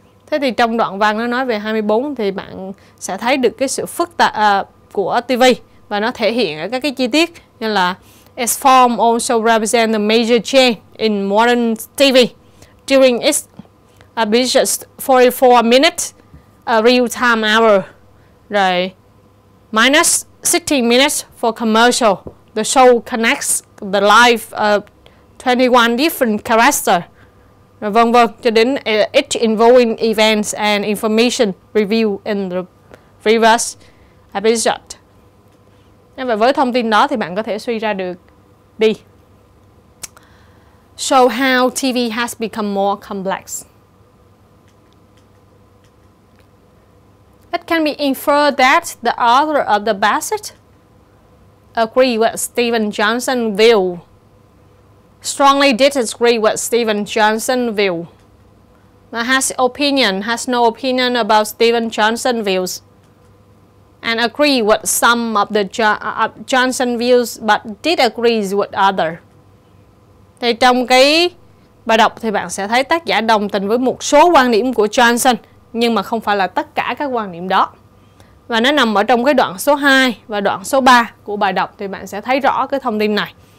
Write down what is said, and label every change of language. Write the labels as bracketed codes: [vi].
[vi] Thế thì trong đoạn văn nó nói về 24 thì bạn sẽ thấy được cái sự phức tạp của TV và nó thể hiện ở các cái chi tiết như là [en] its form also represents a major change in modern TV during its ambitious 44 minutes real time hour, [vi] rồi [en] minus 16 minutes for commercial. The show connects the life of 21 different characters, [vi] rồi vân vân, cho đến [en] each involving events and information revealed in the previous episode. [vi] Nên vậy với thông tin đó thì bạn có thể suy ra được B. [en] Show how TV has become more complex. It can be inferred that the author of the passage agree with Stephen Johnson's view. Strongly disagree with Stephen Johnson's view. But has no opinion about Stephen Johnson's views. And agree with some of the Johnson views, but disagrees with other. [vi] Thì trong cái bài đọc thì bạn sẽ thấy tác giả đồng tình với một số quan điểm của Johnson, nhưng mà không phải là tất cả các quan điểm đó. Và nó nằm ở trong cái đoạn số 2 và đoạn số 3 của bài đọc thì bạn sẽ thấy rõ cái thông tin này.